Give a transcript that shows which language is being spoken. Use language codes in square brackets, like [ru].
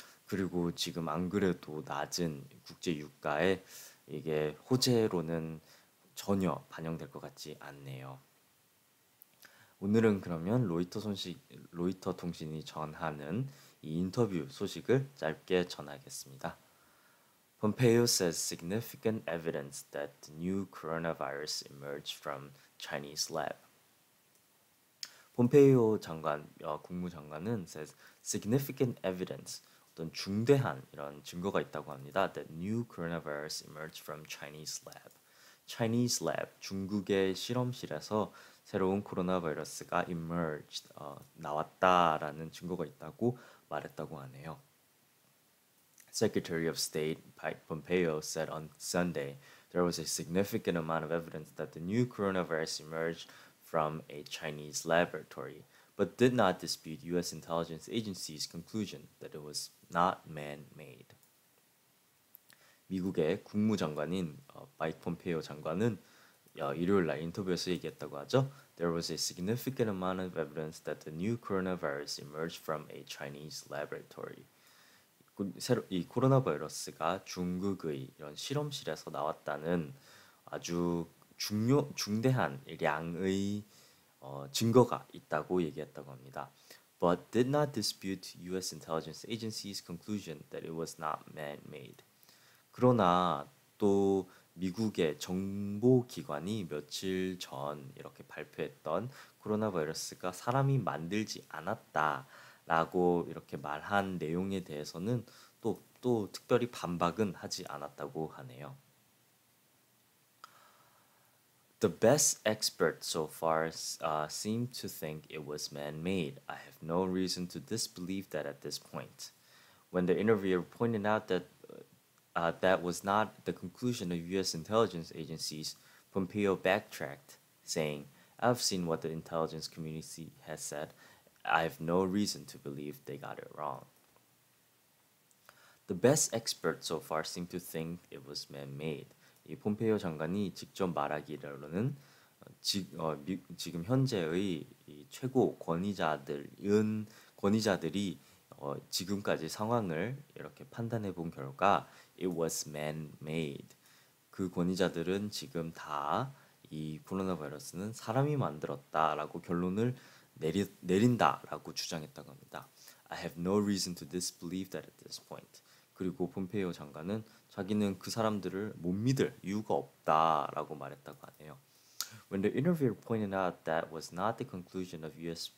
[ko] 그리고 지금 안 그래도 낮은 국제 유가에 이게 호재로는 전혀 반영될 것 같지 않네요. 오늘은 그러면 로이터 통신이 전하는 이 인터뷰 소식을 짧게 전하겠습니다. [en] Pompeo says significant evidence that the new coronavirus emerged from Chinese lab. [ko] 폼페이오 국무장관은 [en] says significant evidence, [ko] 어떤 중대한 이런 증거가 있다고 합니다. [en] That new coronavirus emerged from Chinese lab. [ko] Chinese lab, 중국의 실험실에서 새로운 코로나 바이러스가 emerged, 나왔다라는 증거가 있다고 말했다고 하네요. [en] Secretary of State Mike Pompeo said on Sunday there was a significant amount of evidence that the new coronavirus emerged from a Chinese laboratory, but did not dispute U.S. intelligence agency's conclusion that it was not man-made. [ko] 미국의 국무장관인 마이크 폼페이오 장관은 일요일 날 인터뷰에서 얘기했다고 하죠. [en] There was a significant amount of evidence that the new coronavirus emerged from a Chinese laboratory. [ko] 이 코로나 바이러스가 중국의 이런 실험실에서 나왔다는 아주 중대한 양의 증거가 있다고 얘기했다고 합니다. [en] But did not dispute U.S. intelligence agency's conclusion that it was not man-made. [ko] 그러나 또 미국의 정보기관이 며칠 전 이렇게 발표했던 코로나 바이러스가 사람이 만들지 않았다라고 이렇게 말한 내용에 대해서는 또 특별히 반박은 하지 않았다고 하네요. [en] The best experts so far seem to think it was man-made. I have no reason to disbelieve that at this point. When the interviewer pointed out that was not the conclusion of U.S. intelligence agencies, Pompeo backtracked, saying, "I've seen what the intelligence community has said. I have no reason to believe they got it wrong." The best experts so far seem to think it was man-made. [ko] 이 폼페이오 장관이 직접 말하기로는 지금 현재의 최고 권위자들이 지금까지 상황을 이렇게 판단해 본 결과, [en] it was man-made. [ko] 그 권위자들은 지금 다이 코로나 바이러스는 사람이 만들었다라고 결론을 내린다라고 주장했다고 합니다. [en] I have no reason to disbelieve that at this point. [ko] 그리고 폼페이오 장관은 자기는 그 사람들을 못 믿을 이유가 없다라고 말했다고 하네요. [en] When the interviewer pointed out that was not the conclusion of U.S.